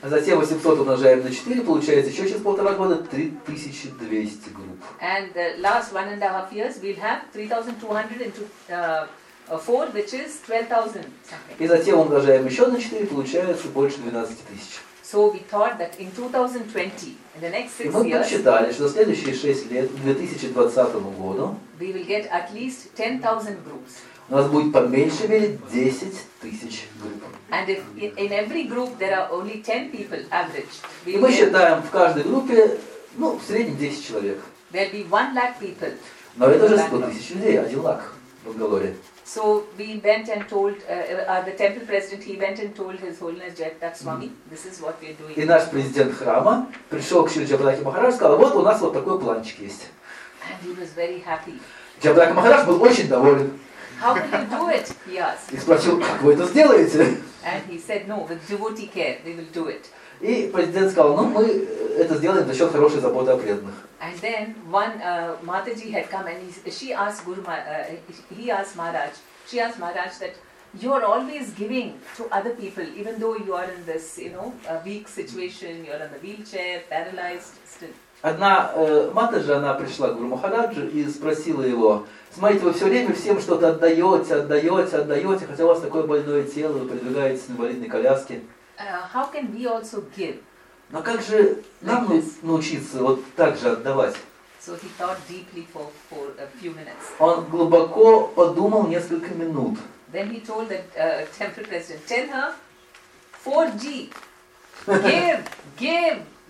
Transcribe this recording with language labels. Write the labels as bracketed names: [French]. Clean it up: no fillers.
[Russian] А затем 800 умножаем на 4, получается еще через полтора года 3200 групп. [English] And the last 1.5 years we'll have 3200 into 4, which is 12,000 something. [Russian] И затем умножаем еще на 4, получается больше 12,000. [English] So we thought that in 2020, in the next 6 years. [Russian] И мы подсчитали, что следующие 6 лет, к 2020 году, [English] we will get at least 10,000 groups. [Russian] У нас будет по меньшей мере 10,000 групп. [English] And if in every group there are only 10 people average. [Russian] И мы считаем в каждой группе, ну, в среднем 10 человек. [English] There'll be 1 lakh people. [Russian] Но это же 100 тысяч людей, 1 лакх в Бангалоре. [English] So we went and told the temple president. He went and told His Holiness Jayaprakash Swami, this is what we are doing. [Russian] И наш президент храма пришел к Шри Джабдаки Махарадж и сказал, вот у нас вот такой планчик есть. [English] And he was very happy. [Russian] Джабдаки Махарадж был очень доволен. [English] How can you do it? He asked. [Russian] И спросил, как вы это сделаете? [English] And he said, no, with devotee care, we will do it. [Russian] И президент сказал, ну мы это сделаем за счет хорошей заботы о преданных. [English] And then one Mataji had come and she asked Guru he asked Maharaj, she asked Maharaj that you are always giving to other people, even though you are in this, you know, a weak situation, you are in the wheelchair, paralyzed, still. [Russian] Одна Матаджи, она пришла к Гуру Махараджу и спросила его, смотрите, вы все время всем что-то отдаете, хотя у вас такое больное тело, вы передвигаетесь на инвалидной коляске. [English] How can we also give? [Russian] Но как же нам научиться вот так же отдавать? [English] So he thought deeply for a few minutes. [Russian] Он глубоко подумал несколько минут. [English] Then he told the temple president, tell her 4G, give.